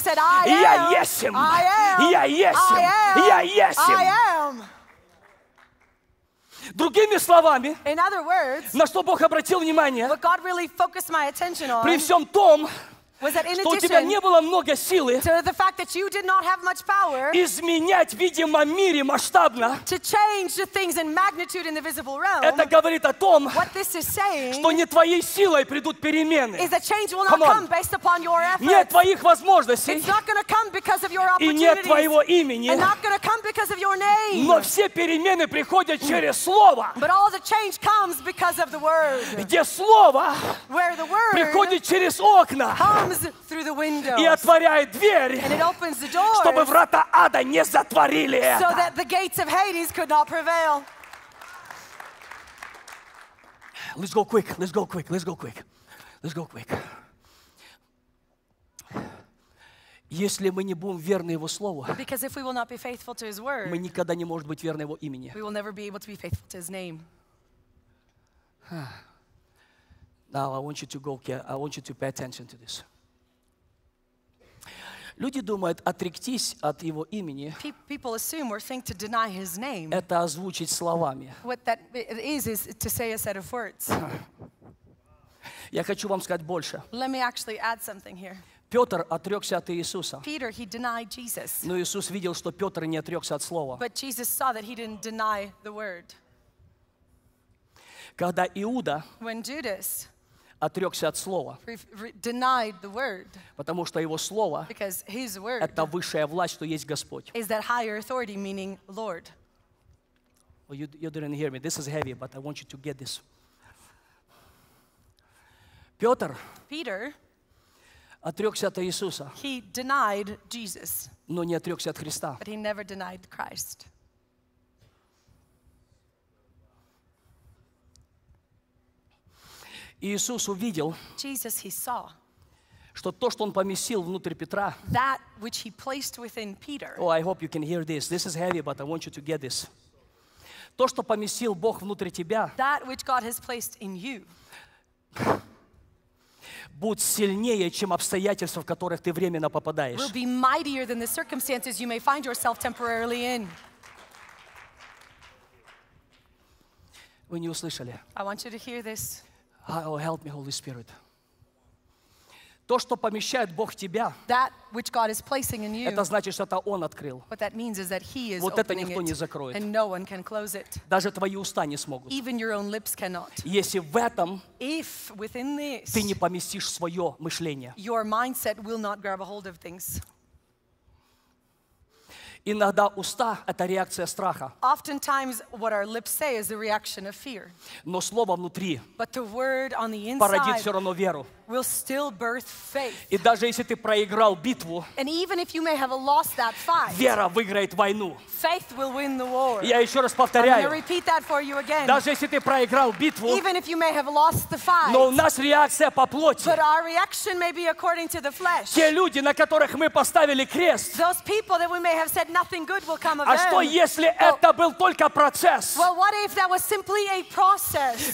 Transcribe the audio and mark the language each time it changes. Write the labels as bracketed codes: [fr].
[en] Said, I am. [ru] Я есмь. [en] I am. [ru] Я есмь. [en] I am. [ru] Я есмь. [en] I am. [ru] Другими словами, [en] in other words, [ru] на что Бог обратил внимание, [en] what God really focused my attention on, [ru] при всем том, [en] was that in [ru] что у тебя не было много силы [en] to the fact that you did not have much power, [ru] изменять, видимо, в мире масштабно, [en] to change the things in magnitude in the visible realm, [ru] это говорит о том, [en] what this is saying, [ru] что не твоей силой придут перемены. [en] Is that change will not come based upon your efforts. [ru] Нет твоих возможностей. [en] It's not going to come because of your opportunities. [ru] И нет твоего имени. [en] And not going to come because of your name. [ru] Но все перемены приходят через слово. [en] But all the change comes because of the word. [ru] Где слово, [en] where the word [ru] приходит через окна. [en] Through the windows, [ru] и отворяет дверь, [en] and it opens the doors, [ru] чтобы врата ада не затворили это. [en] So that the gates of Hades could not prevail. Let's go quick, let's go quick, let's go quick, let's go quick. [ru] Если мы не будем верны Его Слову, [en] because if we will not be faithful to His word, [ru] мы никогда не можем быть верны Его имени. [en] We will never be able to be faithful to His name. Now I want you to go. I want you to pay attention to this. [ru] Люди думают, отрекись от Его имени. [en] People assume or think to deny His name. [ru] Это озвучить словами. [en] What that is to say a set of words. [ru] Я хочу вам сказать больше. [en] Let me actually add something here. [ru] Петр отрекся от Иисуса. [en] Peter, he denied Jesus. [ru] Но Иисус видел, что Петр не отрекся от слова. [en] But Jesus saw that he didn't deny the word. [ru] Когда Иуда, [en] when Judas, [ru] отрекся от слова, [en] denied the word, [ru] потому что его слово, [en] because his word, [ru] это высшая власть, что есть Господь. [en] Is that higher authority, meaning Lord. Well, you didn't hear me. This is heavy, but I want you to get this. [ru] Петр, [en] Peter, [ru] отрекся от Иисуса, [en] he denied Jesus, [ru] но не отрекся от Христа. [en] But he never denied Christ. [ru] Иисус увидел, [en] Jesus, he saw, [ru] что то, что Он поместил внутрь Петра, [en] that which he placed within Peter, oh, I hope you can hear this. This is heavy, but I want you to get this. [ru] То, что поместил Бог внутрь тебя, [en] that which God has placed in you, [ru] будет сильнее, чем обстоятельства, в которых ты временно попадаешь. [en] Will be mightier than the circumstances you may find yourself temporarily in. [ru] Вы не услышали. [en] I want you to hear this. Oh, help me, Holy Spirit. [ru] То, что помещает Бог в тебя, [en] that which God is placing in you, [ru] это значит, что это Он открыл. [en] What that means is that He is [ru] вот это никто не закроет. [en] And no one can close it. [ru] Даже твои уста не смогут. [en] Even your own lips cannot. [ru] Если в этом [en] if within this, [ru] ты не поместишь свое мышление, [en] your mindset will not grab a hold of things. [ru] Иногда уста — это реакция страха. [en] Oftentimes, what our lips say is the reaction of fear. [ru] Но слово внутри, [en] but the word on the inside, [ru] породит все равно веру. [en] Will still birth faith. [ru] И даже если ты проиграл битву, [en] and even if you may have lost that fight, [ru] вера выиграет войну. [en] Faith will win the war. [ru] Я еще раз повторяю. [en] I'm going to repeat that for you again. [ru] Даже если ты проиграл битву, [en] even if you may have lost the fight, [ru] но у нас реакция по плоти. [en] But our reaction may be according to the flesh. [ru] Те люди, на которых мы поставили крест, [en] those people that we may have said nothing good will come of [ru] them. А что если это был только процесс? [en] Well, what if that was simply a process?